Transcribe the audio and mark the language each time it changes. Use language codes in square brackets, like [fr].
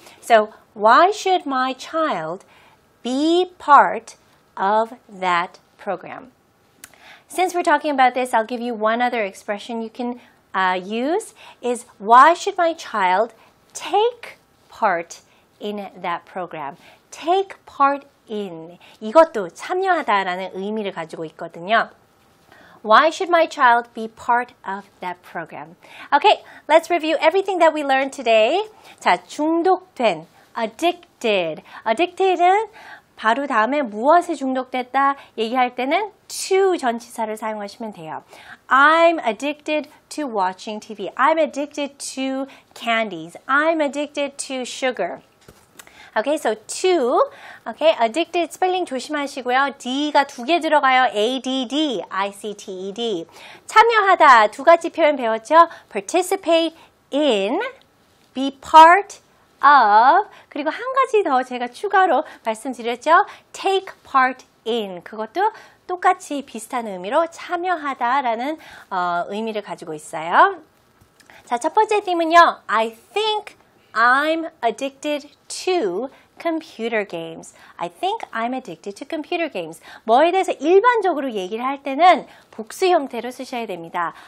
[en] So, why should my child be part of that program? Since we're talking about this, I'll give you one other expression you can use is why should my child take part in that program? Take part in. [ko] 이것도 참여하다라는 의미를 가지고 있거든요. [en] Why should my child be part of that program? Okay, let's review everything that we learned today. [ko] 자, 중독된, addicted. Addicted은 바로 다음에 무엇에 중독됐다 얘기할 때는 to 전치사를 사용하시면 돼요. [en] I'm addicted to watching TV. I'm addicted to candies. I'm addicted to sugar. Okay, so to, okay, addicted, spelling [ko] 조심하시고요. D가 두 개 들어가요. ADD, I-C-T-E-D. 참여하다, 두 가지 표현 배웠죠? [en] Participate in, be part of, [ko] 그리고 한 가지 더 제가 추가로 말씀드렸죠? [en] Take part in, [ko] 그것도 똑같이 비슷한 의미로 참여하다라는 의미를 가지고 있어요. 자, 첫 번째 팀은요, [en] I think I'm addicted to computer games. I think I'm addicted to computer games. [ko] 뭐에 대해서 일반적으로 얘기를 할 때는 복수 형태로 쓰셔야 됩니다.